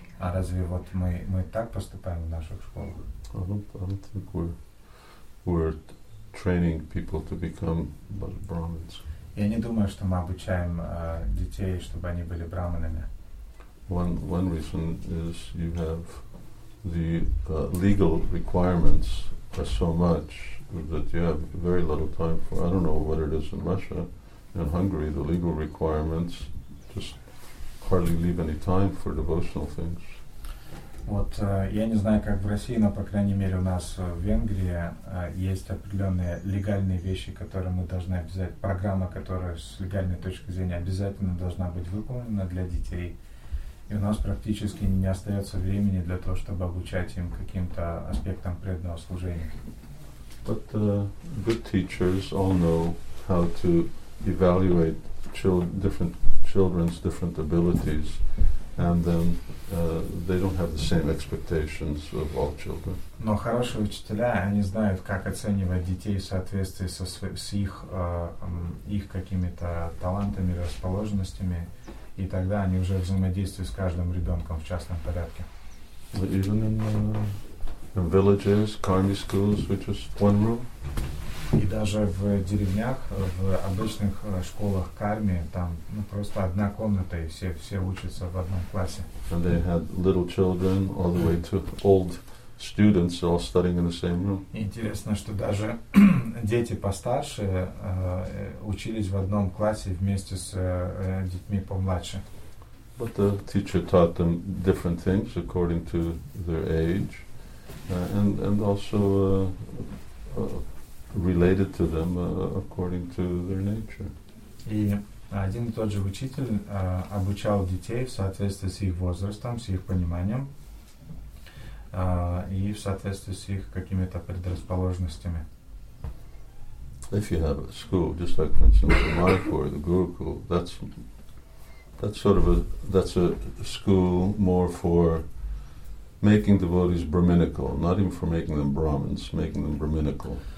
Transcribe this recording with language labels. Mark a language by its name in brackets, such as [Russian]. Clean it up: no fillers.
[Russian] А разве вот мы так поступаем в наших школах? [English] I don't think we're training people to become brahmins. [Russian] Я не думаю, что мы обучаем детей, чтобы они были брахманами. [English] One reason is you have the legal requirements are so much that you have very little time for. I don't know what it is in Russia, in Hungary, the legal requirements just hardly leave any time for devotional things. [Russian] Вот я не знаю, как в России, но по крайней мере у нас в Венгрии есть определенные легальные вещи, которые мы должны обязательно. Программа, которая с легальной точки зрения обязательно должна быть выполнена для детей. И у нас практически не остается времени для того, чтобы обучать им каким-то аспектам преданного служения. [English] But good teachers all know how to evaluate different children's abilities, and then they don't have the same expectations of all children. [Russian] Но хорошие учителя, они знают, как оценивать детей в соответствии с их какими-то талантами, расположенностями. И тогда они уже взаимодействуют с каждым ребенком в частном порядке. [English] Even in villages, karmi schools, which is one room. [Russian] И даже в деревнях, в обычных школах карми, там просто одна комната, и все учатся в одном классе. [English] And they had little children all the way to old students all studying in the same room. [Russian] Интересно, что даже дети постарше учились в одном классе вместе с детьми помладше. [English] But the teacher taught them different things according to their age. And also related to them according to their nature. [Russian] И один и тот же учитель обучал детей в соответствии с их возрастом, с их пониманием и в соответствии с их какими-то предрасположенностями. [English] If you have a school, just like for instance Mayapur, the Gurukul, that's a school more for making devotees brahminical, not even for making them Brahmins, making them brahminical.